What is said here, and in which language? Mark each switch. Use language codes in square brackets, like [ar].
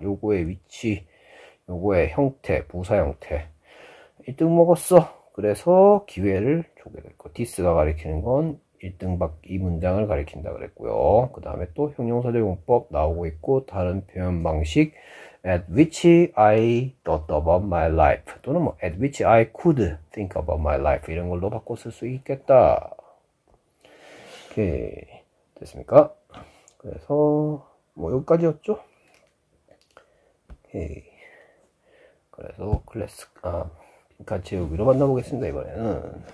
[ko] 요거의 위치, 요거의 형태, 부사 형태. 1등 먹었어. 그래서 기회를 주게 될 거. 디스가 가리키는 건 1등 밖이 문장을 가리킨다 그랬고요. 그 다음에 또 형용사적용법 나오고 있고, 다른 표현 방식. [en] At which I thought about my life. [ko] 또는 뭐, [en] at which I could think about my life. [ko] 이런 걸로 바꿔 쓸수 있겠다. 오케이. 됐습니까? 그래서 뭐 여기까지였죠? 오케이. 그래서 빈칸 채우기로 만나보겠습니다 이번에는.